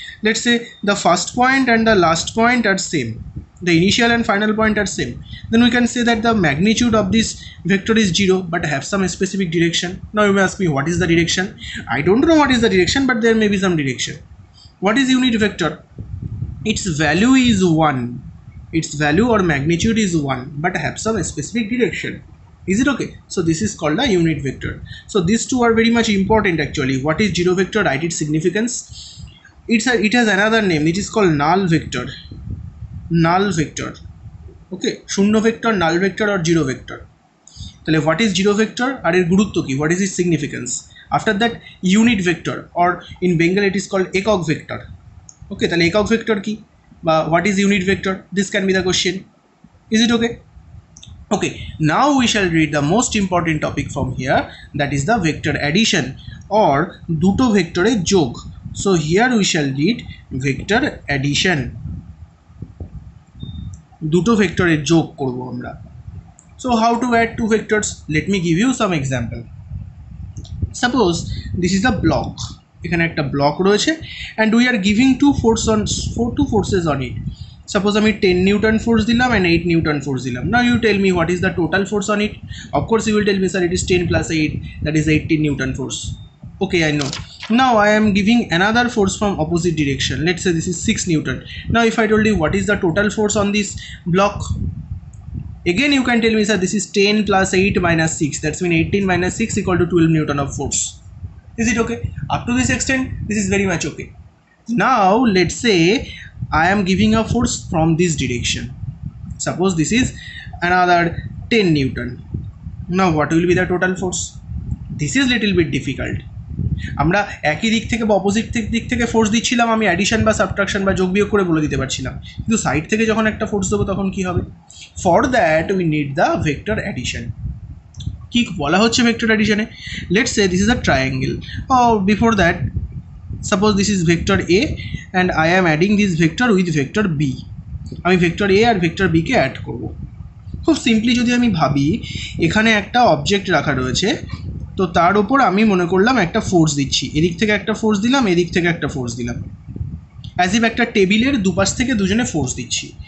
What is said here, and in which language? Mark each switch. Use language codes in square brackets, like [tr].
[en] Let's a the first point and the last point are same, the initial and final point are same, then we can say that the magnitude of this vector is zero but have some specific direction. Now you may ask me what is the direction? I don't know what is the direction but there may be some direction. What is unit vector? Its value is one, its value or magnitude is one but have some specific direction. Is it okay? So this is called a unit vector. So these two are very much important actually. What is zero vector? Write its significance. It has another name. It is called null vector. Null vector. Okay. Shunno vector, null vector or zero vector. Tale, what is zero vector? [bn] Are it gurutto ki? [en] What is its significance? After that, unit vector or in Bengal it is called ekog vector. Okay. [bn] Tale, ekog vector ki? [en] What is unit vector? This can be the question. Is it okay? Okay, now we shall read the most important topic from here, that is the vector addition or [bn] duto vector e jog. [en] So here we shall read vector addition, [bn] duto vector e jog korbo amra. [en] So how to add two vectors? Let me give you some example. Suppose this is a block, [bn] ekhane ekta block royeche [en] and we are giving two forces on it. Suppose [bn] আমি [en] 10 newton force [bn] দিলাম [en] And 8 newton force দিলাম। Now you tell me what is the total force on it? Of course you will tell me sir it is 10 plus 8, that is 18 newton force. Okay I know. Now I am giving another force from opposite direction, let's say this is 6 newton. Now if I told you what is the total force on this block, again you can tell me sir this is 10 plus 8 minus 6, that's mean 18 minus 6 equal to 12 newton of force. Is it okay? Up to this extent this is very much okay. Now let's say I am giving a force from this direction. Suppose this is another 10 Newton. Now what will be the total force? This is little bit difficult. [bn] আমরা একই দিক থেকে বা opposite দিক থেকে force দিচ্ছিলাম, আমি addition বা সাবট্রাকশন বা যোগ বিয়োগ করে বলে দিতে পারছিলাম, কিন্তু সাইড থেকে যখন একটা ফোর্স দেবো তখন কী হবে? [en] For that we need the vector addition. [bn] কী বলা হচ্ছে vector অ্যাডিশনে? [en] Let's say this is a triangle, before that suppose this is vector A and I am adding this vector with vector B. [bn] আমি vector A আর vector B K add করবো। খুব simply যদি আমি ভাবি এখানে একটা object রাখা রয়েছে, তো তার উপর আমি মনে করলাম একটা ফোর্স দিচ্ছি, এদিক থেকে একটা ফোর্স দিলাম, এদিক থেকে একটা ফোর্স দিলাম, [en] as if [bn] একটা টেবিলের দুপাশ থেকে দুজনে ফোর্স দিচ্ছি।